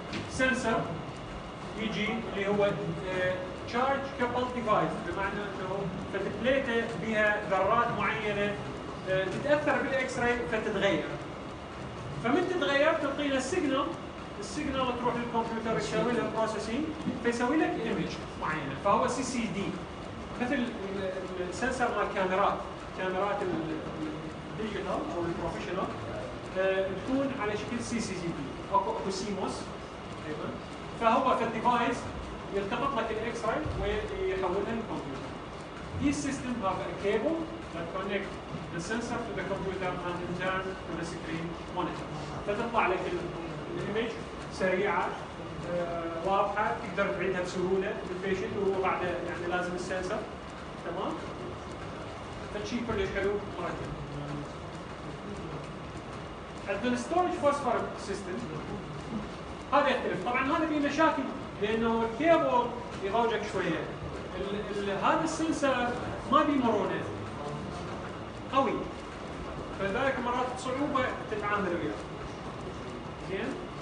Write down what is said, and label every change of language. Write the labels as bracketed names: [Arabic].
[Arabic] سنسر يجي اللي هو تشارج كابل ديفايس بمعنى انه فتبليته بها ذرات معينه تتاثر بالاكس راي فتتغير فمن تتغير تلقي له سيجنال السيجنال تروح للكمبيوتر يسوي له بروسيسنج فيسوي لك ايمج معينه فهو سي سي دي مثل السنسر مال الكاميرات كاميرات الديجيتال او البروفيشنال تكون على شكل سي سي دي اكو سي موس ايضا فهو في الديفايس يلتقط لك الاكس راي ويحولها للكمبيوتر. [English] This system have a cable that connect the sensor to the computer and in turn to the screen monitor. [Arabic] فتطلع لك الايمج سريعة واضحة تقدر تعيدها بسهولة للبيشنت وهو بعد يعني لازم السنسر تمام؟ فشي كلش حلو مرتب. عندنا ستورج فوسفور سيستم هذا يختلف طبعا هذا فيه مشاكل لانه الكيبل يضوجك شويه هذا السنسر ما بيه مرونه قوي فذلك مرات صعوبه تتعامل وياه زين